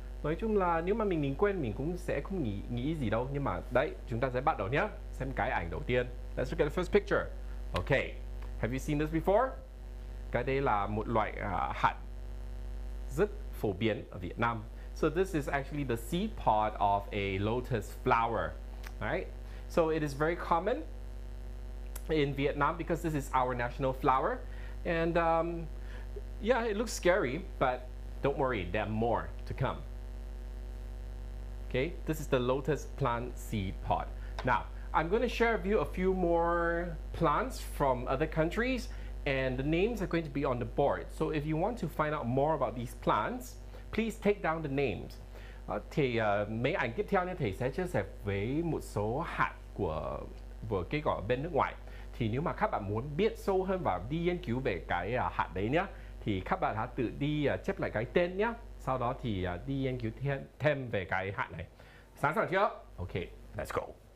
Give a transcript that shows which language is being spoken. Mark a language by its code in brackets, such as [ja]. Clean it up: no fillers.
[vi] Nói chung là nếu mà mình quen mình cũng sẽ không nghĩ gì đâu, nhưng mà đấy, chúng ta sẽ bắt đầu nhé, xem cái ảnh đầu tiên. [en] Let's look at the first picture. Okay, have you seen this before? [vi] Cái đây là một loại hạt rất phổ biến ở Việt Nam. [en] So this is actually the seed pod of a lotus flower, right? So it is very common in Vietnam because this is our national flower. And yeah, it looks scary, but don't worry, there are more to come. Okay, this is the lotus plant seed pod. Now, I'm going to share with you a few more plants from other countries. And the names are going to be on the board. So if you want to find out more about these plants, please take down the names. [vi] Thì mấy ảnh tiếp theo thầy sẽ chia sẻ với một số hạt của cái gọi bên nước ngoài. Thì nếu mà các bạn muốn biết sâu hơn và đi nghiên cứu về cái hạt đấy nhá, thì các bạn hãy tự đi chép lại cái tên nhá. Sau đó thì đi nghiên cứu thêm về cái hạt này. Sẵn sàng chưa? [en] Okay, let's go.